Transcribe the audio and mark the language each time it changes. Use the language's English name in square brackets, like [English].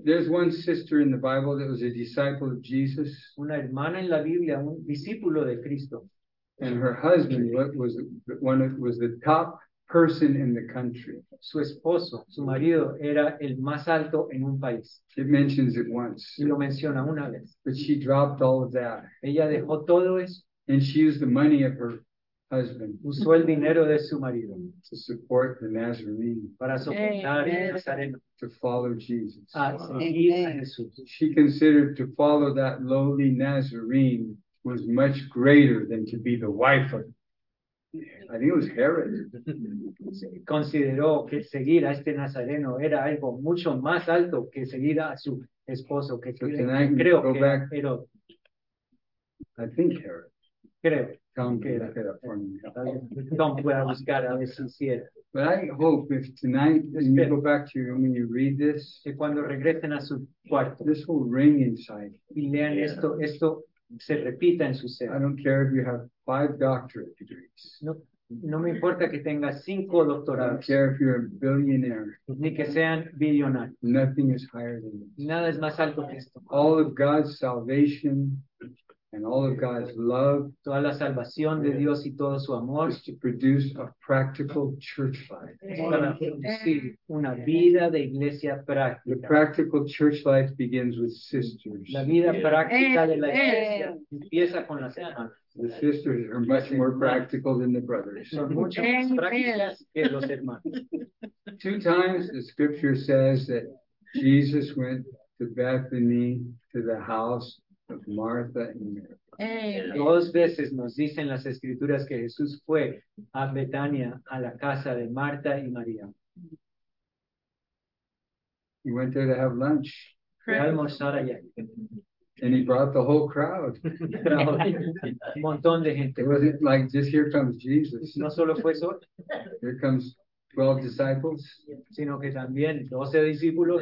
[English] There's one sister in the Bible that was a disciple of Jesus. [Spanish] Una hermana en la Biblia, un discípulo de Cristo. [English] And her husband was the top person in the country. [Spanish] Su esposo, su marido, era el más alto en un país. [English] It mentions it once. [Spanish] Y lo menciona una vez. [English] But she dropped all of that. [Spanish] Ella dejó todo eso. [English] And she used the money of her husband. [Spanish] Usó el dinero de su marido. [English] To support the Nazarene. [Spanish] Para soportar el Nazareno. [English] To follow Jesus. [Spanish] A seguir a Jesús. [English] She considered to follow that lowly Nazarene was much greater than to be the wife of. I think it was Herod. [Spanish] Consideró que seguir a este Nazareno era algo mucho más alto que seguir a su esposo, que so era, creo que back, pero, [English] I think Herod. [Spanish] Creo. Tom era, era for me. Tom pueda buscar a ver si hiciera. [English] But I hope if tonight, when you go back to your room and you read this, [Spanish] que cuando regresen a su cuarto, [English] this will ring inside. [Spanish] Y lean esto, esto se repita en su ser. [English] I don't care if you have 5 doctorate degrees. [Spanish] No, no me importa que tenga 5 doctorados. [English] I don't care if you're a billionaire. [Spanish] Ni que sean billonarios. [English] Nothing is higher than this. [Spanish] Nada es más alto que esto. [English] All of God's salvation and all of God's love. [Spanish] Toda la salvación de Dios y todo su amor. [English] Is to produce a practical church life. [Spanish] Para producir una vida de iglesia práctica. [English] The practical church life begins with sisters. [Spanish] La vida práctica de la iglesia empieza con las hermanas. [English] The sisters are much more practical than the brothers. [Spanish] Son mucho más prácticas que los hermanos. [English] 2 times the scripture says that Jesus went to Bethany to the house of Martha and Mary. [Spanish] 2 veces nos dicen las escrituras que Jesús fue a Betania a la casa de Marta y María. [English] He went there to have lunch. [Spanish] Almorzar allá. [English] And he brought the whole crowd. [Spanish] Montón de gente. [English] It wasn't like just here comes Jesus. [Spanish] No solo fue eso. [English] Here comes 12 disciples. [Spanish] Sino que también 12 discípulos.